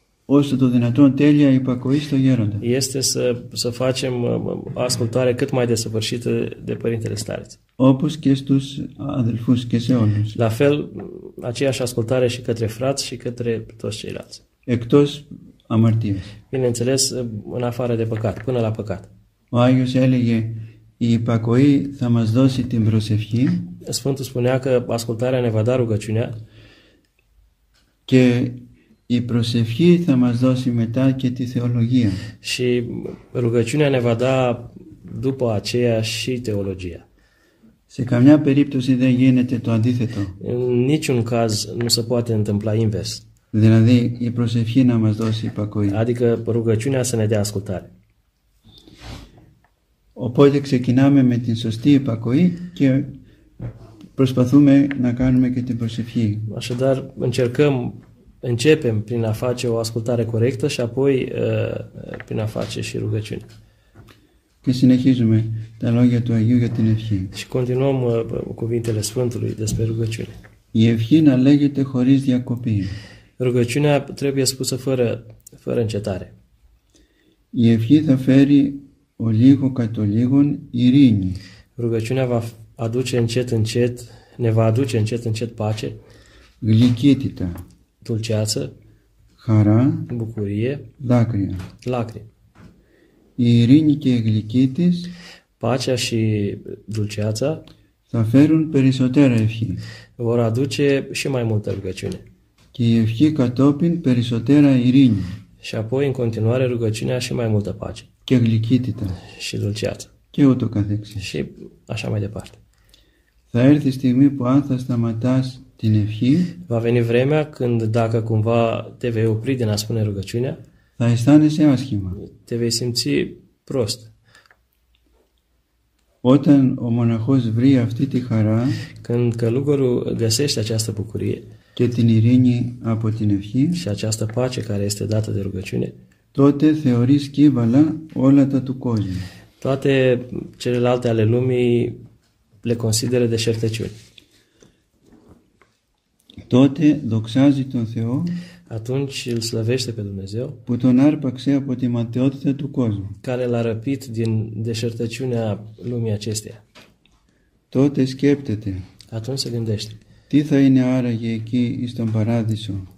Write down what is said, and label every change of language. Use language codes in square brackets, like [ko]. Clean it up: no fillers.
[el] Όσο το δυνατόν τέλεια υπακοή στο γέροντα. [ro] Este să, să facem ascultare cât mai desăvârșită de Părintele Stareț. [el] Όπως και στους αδελφούς και σε όλους. [ro] La fel, aceeași ascultare și către frați și către toți ceilalți. [el] Εκτός αμαρτίας. [ro] Bineînțeles, în afară de păcat, până la păcat. [el] Ο Άγιος έλεγε, η υπακοή θα μας δώσει την προσευχή. [ro] Sfântul spunea că ascultarea ne va da rugăciunea. [el] Και η προσευχή θα μας δώσει μετά και τη θεολογία. [ro] Și rugăciunea ne va da după aceea și teologia. [el] Σε καμιά περίπτωση δεν γίνεται το αντίθετο. [ro] În niciun caz nu se poate întâmpla invers. [el] Δηλαδή η προσευχή να μας δώσει υπακοή. [ro] Adică rugăciunea să ne dea ascultare. [el] Οπότε ξεκινάμε με την σωστή υπακοή και προσπαθούμε να κάνουμε και την προσευχή. [ro] Așadar, încercăm, începem prin a face o ascultare corectă și apoi prin a face și rugăciune. [el] Και συνεχίζουμε τα λόγια του Αγίου για την ευχή. [ro] Și continuăm cuvintele Sfântului despre rugăciune. [el] Η ευχή να λέγεται χωρίς διακοπή. [ro] Rugăciunea trebuie spusă fără încetare. [el] Η ευχή θα φέρει ο λίγο κατ' ο λίγον ειρήνη. [ro] Rugăciunea va aduce încet încet, ne va aduce încet încet pace, [el] γλυκύτητα, [ro] dulceață, [el] χαρά, [ro] bucurie, [el] δάκρυα, [ro] lacrimi. [el] Η ειρήνη και η γλυκύτης, [ro] pacea și dulceața, [el] θα φέρουν περισσότερα ευχή, [ro] vor aduce și mai multă rugăciune. [el] Και η ευχή κατόπιν περισσότερα ειρήνη. [ro] Și apoi, în continuare, rugăciunea și mai multă pace. [el] Και γλυκύτητα. [ro] Și dulceață. [el] Και ούτω καθεξής. [ro] Și așa mai departe. [el] Θα έρθει η στιγμή που αν θα σταματάς την ευχή, [ro] va veni vremea când, dacă cumva te vei opri din a spune rugăciunea, [el] θα αισθάνεσαι άσχημα. [ro] Te vei simți prost. [el] Όταν ο μοναχός βρει αυτή τη χαρά, [ro] când călugărul găsește această bucurie, [el] και την ειρήνη από την ευχή, [ro] și această pace care este dată de rugăciune, [el] τότε θεωρεί σκύβαλα όλα τα του κόσμου. [ro] Toate celelalte ale lumii le consideră deșertăciuni. [el] Τότε δοξάζει τον Θεό, [ro] atunci îl slăvește pe Dumnezeu, [el] που τον άρπαξε από τη ματαιότητα του κόσμου, [ro] care l-a răpit din deșertăciunea lumii acesteia. [el] Τότε σκέπτεται, [ro] atunci se gândește, [el] τι θα είναι άραγε εκεί εις τον παράδεισο,